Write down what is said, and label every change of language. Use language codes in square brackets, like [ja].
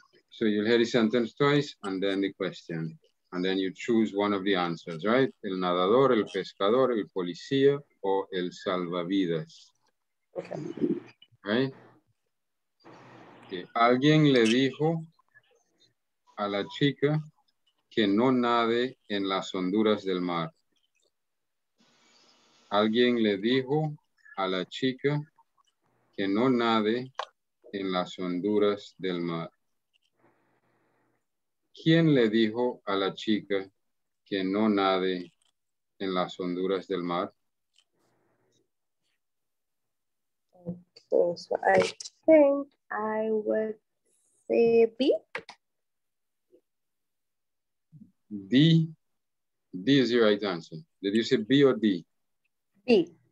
[en] So you'll hear the sentence twice and then the question. And then you choose one of the answers, right? [es] El nadador, el pescador, el policía, o el salvavidas. [en] Okay. Right? Okay. [es] Alguien le dijo a la chica que no nade en las honduras del mar. Alguien le dijo a la chica que no nade en las honduras del mar. ¿Quién le dijo a la chica que no nade en las honduras del mar? [en] Okay, so I think I would say B. D. D is the right answer. Did you say B or D? B.